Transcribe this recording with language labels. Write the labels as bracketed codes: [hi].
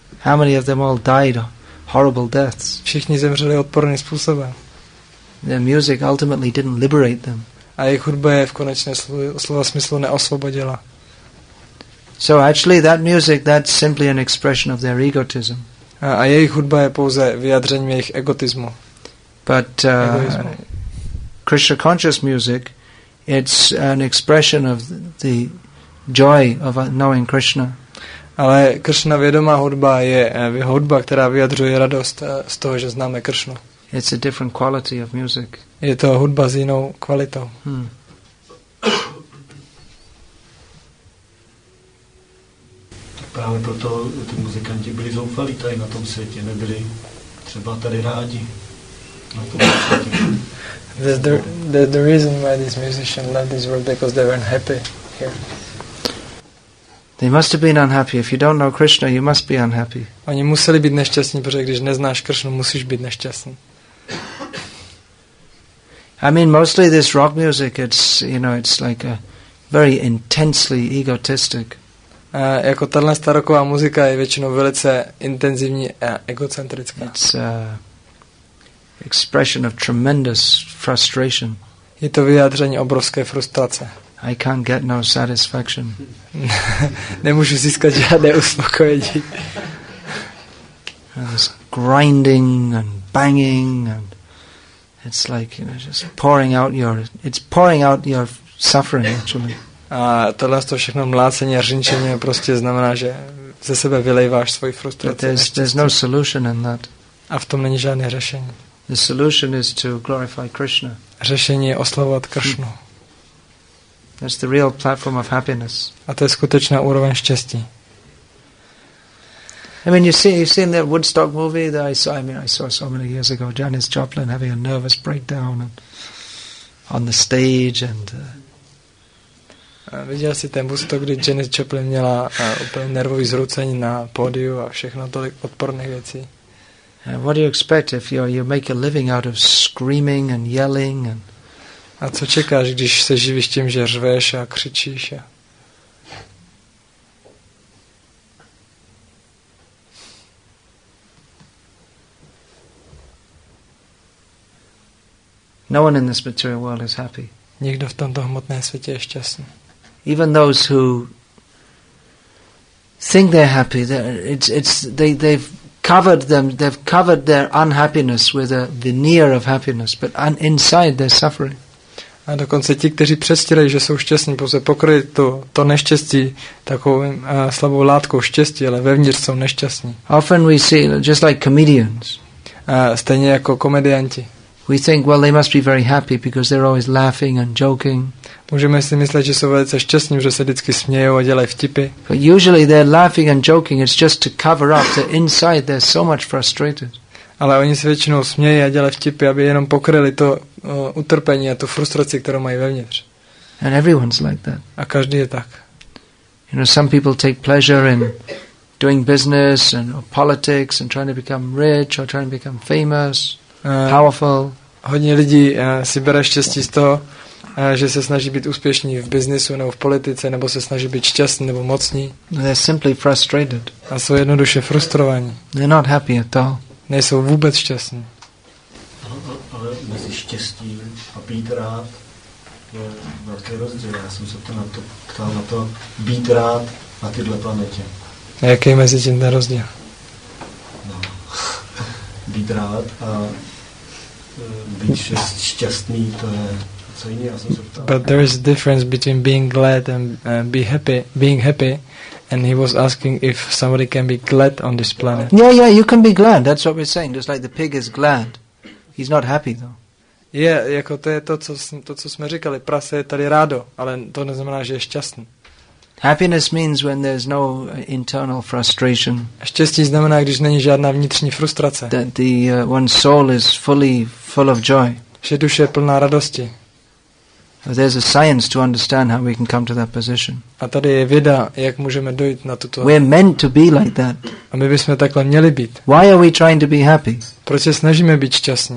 [en] How many of them all died horrible deaths? [cs] Všichni zemřeli odporným způsobem. [en] Their music ultimately didn't liberate them. [cs] A jejich hudba je v konečném slova smyslu neosvobodila. [en] So actually that music, that's simply an expression of their egotism. [cs] A jejich hudba je pouze vyjádřením jejich egotismu. [en] But Krishna conscious music, it's an expression of the joy of knowing Krishna. [cs] Ale Krishna vědomá hudba je hudba, která vyjadřuje radost z toho, že známe Kršnu. [en] It's a different quality of music. [cs] Je to hudba s jinou kvalitou. Právě proto ty muzikanti byli zoufalí tady na tom světě, nebyli třeba tady rádi na tom světě. [en] The reason why these musicians left this world because they weren't happy here. They must have been unhappy. If you don't know Krishna, you must be unhappy. [cs] Oni museli být nešťastní, protože když neznáš Kršnu, musíš být nešťastný. [en] I mean, mostly this rock music, it's, you know, it's like a very intensely egotistic. [cs] Jako tahle staroková muzika je většinou velice intenzivní a egocentrická. [en] It's a expression of tremendous frustration. [cs] Je to vyjádření obrovské frustrace. [en] I can't get no satisfaction. [cs] Nemůžu získat žádné uspokojení. [en] It's grinding and banging and it's like, you know, just pouring out your, it's pouring out your suffering actually. [cs] A tohle to všechno mlácení a řinčení prostě znamená, že ze sebe vylejváš svoji frustraci. [en] There's no solution in that. [cs] A v tom není žádné řešení. [en] The solution is to glorify Krishna. [cs] Řešení je oslavovat Kršnu. [en] That's the real platform of happiness. [cs] A to je skutečná úroveň štěstí. [en] I mean, you see in that Woodstock movie that I saw so many years ago, Janis Joplin having a nervous breakdown and on the stage and [cs] viděl jsi ten Woodstock, kdy Janis Joplin měla úplně nervový zrucení na pódiu a všechno tolik odporných věcí. [en] What do you expect if you make a living out of screaming and yelling and [cs] a co čekáš, když se živíš tím, že řveš a křičíš? A [en] no one in this material world is happy. [cs] Nikdo v tomto hmotném světě je šťastný. [en] Even those who think they're happy. They've covered their unhappiness with a veneer of happiness, but inside they're suffering. [cs] A dokonce ti, kteří přestírají, že jsou šťastní, pouze pokryli to neštěstí takovou slabou látkou štěstí, ale vevnitř jsou nešťastní. [en] Often we see just like comedians. [cs] Stejně jako komedianti. [en] We think, well, they must be very happy because they're always laughing and joking. [cs] Můžeme si myslet, že jsou velice šťastní, že se vždycky smějou a dělají vtipy. [en] But usually they're laughing and joking, it's just to cover up that inside they're so much frustrated. [cs] Ale oni se většinou smějí a dělají vtipy, aby jenom pokryli to utrpení a tu frustraci, kterou mají vevnitř. [en] And everyone's like that. [cs] A každý je tak. [en] You know, some people take pleasure in doing business and or politics and trying to become rich or trying to become famous. Powerful. [cs] Hodně lidí si bere štěstí z toho, že se snaží být úspěšní v biznisu nebo v politice, nebo se snaží být šťastný nebo mocný. [en] They're simply frustrated. [cs] A jsou jednoduše frustrovaní. [en] They're not happy at all. [cs] Nejsou vůbec šťastní. Ale mezi štěstím a být rád je velký rozdíl. Já jsem se ptal na to být rád na této planetě. A jaký mezi tím ten rozdíl? Být rád a být šťastný, to je co jiný, já jsem se ptal. [en] But there is a difference between being glad and being happy. And he was asking if somebody can be glad on this planet. Yeah, you can be glad. That's what we're saying. Just like the pig is glad. He's not happy though. [cs] Yeah, jako to je to, co jsme říkali. Prase je tady rádo, ale to neznamená, že je šťastný. [en] Happiness means when there's no internal frustration. [cs] Štěstí znamená, když není žádná vnitřní frustrace. [en] That the one soul is fully full of joy. [cs] Že duše je plná radosti. [en] There's a science to understand how we can come to that position. [cs] A tady je věda, jak můžeme dojít na tuto. [en] We're meant to be like that. [cs] A my bychom takhle měli být. [en] Why are we trying to be happy? [cs] Proč se snažíme být šťastní?